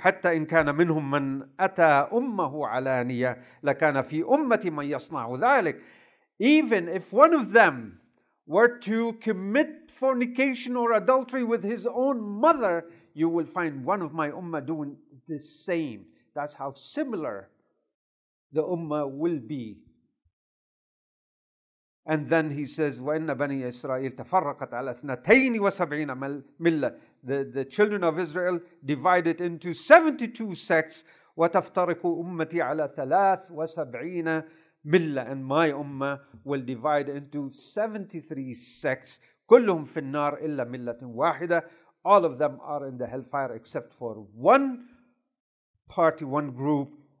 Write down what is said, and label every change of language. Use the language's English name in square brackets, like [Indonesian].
[Arabic] حَتَّى إِن كَانَ مِنْهُم مَّنْ أَتَى أُمَّهُ عَلَانِيَةً لَكَانَ فِي أُمَّتِ مَنْ يَصْنَعُ ذَلِكَ. [English] Even if one of them were to commit fornication or adultery with his own mother, you will find one of my ummah doing the same. That's how similar the ummah will be. And then he says, [Arabic] وَإِنَّ بَنِي إِسْرَائِيلَ تَفَرَّقَتْ عَلَى اثْنَتَيْنِ وَسَبْعِينَ مِلَّةً. [English] The children of Israel divided into 72 sects. [Arabic] وَتَفْتَرِقُ أُمَّتِي عَلَى 73 مِلَّةً. [English] And my ummah will divide into 73 sects. [Arabic] كُلُّهُمْ فِي النَّارِ إِلَّا مِلَّةٍ وَاحِدَةً. [English] All of them are in the hellfire except for one party, one group.